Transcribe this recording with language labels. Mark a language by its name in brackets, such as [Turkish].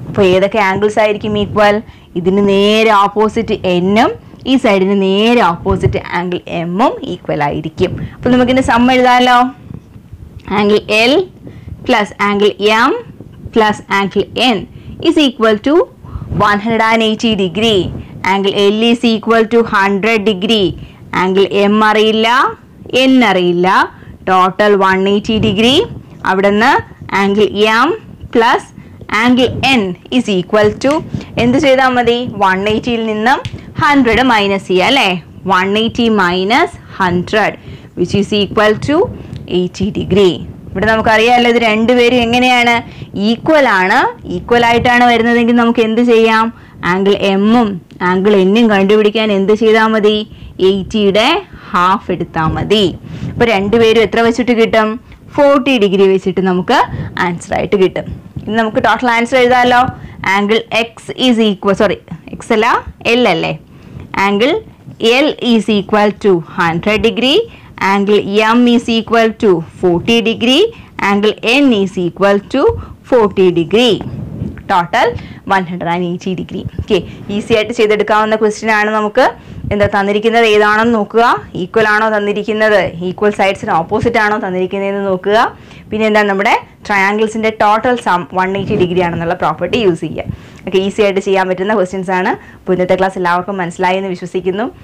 [Malayalam] അപ്പോൾ ഏതൊക്കെ ആംഗിൾസ് ആയിരിക്കും ഈക്വൽ? ഇതിന് നേരെ ഓപ്പോസിറ്റ് എന്നും ഈ സൈഡിന് നേരെ ഓപ്പോസിറ്റ് ആംഗിൾ എമ്മും ഈക്വൽ ആയിരിക്കും. അപ്പോൾ നമുക്കിതിന് some എഴുതാമല്ലോ. Angle L plus angle M plus angle N [English] is equal to 180 degree. Angle L is equal to 100 degree. [Malayalam] Angle M arilla, N arilla. Total 180 degree. Avadana [English] angle M plus angle N is equal to [Malayalam] endu cheyadamadi 180 il ninnum 100 minus cheya alle. [English] 180 minus 100 which is equal to 80 degree. [Malayalam] ഇവിടെ നമുക്കറിയാമല്ലോ ഇത് രണ്ടുപേരും എങ്ങനെയാണ്? Equal ആണ്. Equal ആയിട്ടാണ് വരുന്നതെങ്കിൽ നമുക്ക് എന്ത് ചെയ്യാം? ആംഗിൾ എമ്മും ആംഗിൾ എന്നും കണ്ടുപിടിക്കാൻ എന്ത് ചെയ്താൽ മതി? 80 ഹാഫ് എടുത്താൽ മതി. അപ്പോൾ രണ്ടുപേരും എത്ര വെച്ചിട്ട് കിട്ടും? 40 ഡിഗ്രി വെച്ചിട്ട് നമുക്ക് ആൻസറായിട്ട് കിട്ടും. ഇനി നമുക്ക് total answer എഴുതാമല്ലോ. [English] angle X is equal, sorry [Malayalam] X അല്ല എൽ അല്ലേ. [English] Angle L is equal to 100 degree. Angle M is equal to 40 degree. Angle N is equal to 40 degree. Total 180 degree. [Malayalam] Okay, easy ആയിട്ട് ചെയ്തെടുക്കാവുന്ന question ആണ് നമുക്ക്. എന്താ തന്നിരിക്കുന്നത് ഏതാണെന്ന് നോക്കുക. Equal ആണോ തന്നിരിക്കുന്നത്, ഈക്വൽ സൈഡ്സിന് ഓപ്പോസിറ്റ് ആണോ തന്നിരിക്കുന്നതെന്ന് നോക്കുക. പിന്നെ എന്താ നമ്മുടെ ട്രയാംഗിൾസിൻ്റെ ടോട്ടൽ സം 180 ഡിഗ്രി ആണെന്നുള്ള പ്രോപ്പർട്ടി യൂസ് ചെയ്യുക. ഒക്കെ ഈസി ആയിട്ട് ചെയ്യാൻ പറ്റുന്ന ക്വസ്റ്റ്യൻസ് ആണ്. അപ്പോൾ ഇന്നത്തെ ക്ലാസ് എല്ലാവർക്കും മനസ്സിലായി എന്ന് വിശ്വസിക്കുന്നു.